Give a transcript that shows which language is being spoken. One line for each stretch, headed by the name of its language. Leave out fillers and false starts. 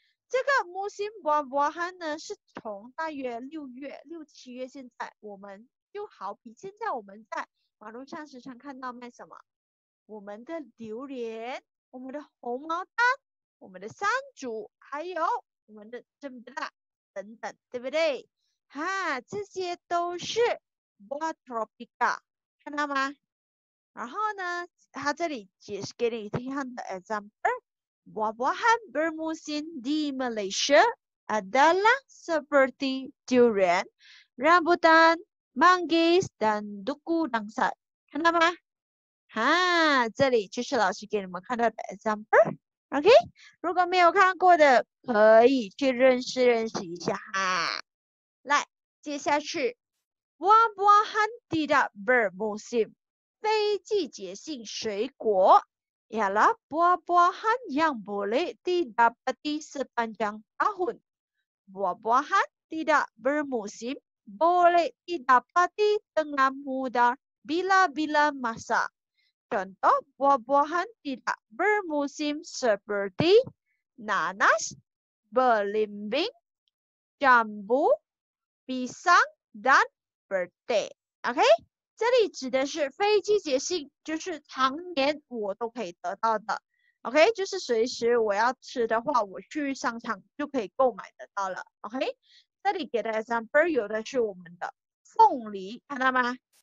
Chinese: 这个 musim buah-buahan 呢，是从大约六月、六七月，现在我们就好比现在我们在马路上时常看到卖什么，我们的榴莲、我们的红毛丹、我们的山竹，还有我们的榛子蜡等等，对不对？哈，这些都是 buah tropika， 看到吗？然后呢，他这里解释给你听的
Malay: example， buah-buahan bermusim di Malaysia adalah seperti durian, rambutan, manggis dan duku langsat，
Chinese: 看到吗？哈，这里就是老师给你们看到的 example， OK， 如果没有看过的，可以去认识认识一下哈。
Malay: 来，接下去 buah-buahan tidak bermusim，
Chinese: 非季节性水果
Malay: ialah buah-buahan yang boleh didapati sepanjang tahun。 buah-buahan tidak bermusim boleh didapati dengan mudah bila-bila masa。 contoh buah-buahan tidak bermusim seperti nanas, belimbing, jambu、pisang dan birthday，
Chinese: OK， 这里指的是非季节性，就是常年我都可以得到的， OK， 就是随时我要吃的话，我去商场就可以购买得到了， OK， 这里给的 example 有的是我们的凤梨，看到吗？